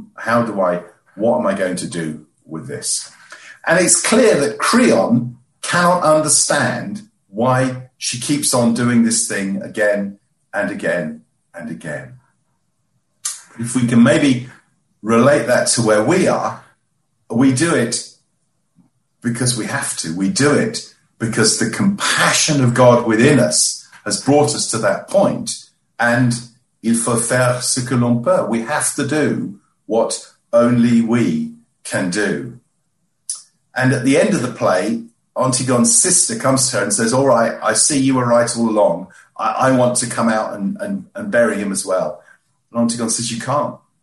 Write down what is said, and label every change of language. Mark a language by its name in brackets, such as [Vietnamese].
[English] What am I going to do with this? And it's clear that Creon cannot understand why she keeps on doing this thing again and again and again. If we can maybe relate that to where we are, we do it because we have to. We do it because the compassion of God within us has brought us to that point. [French] And il faut faire ce que l'on peut. [English] We have to do what only we can do. And at the end of the play, Antigone's sister comes to her and says, all right, I see you were right all along. I want to come out and bury him as well. And Antigone says, you can't.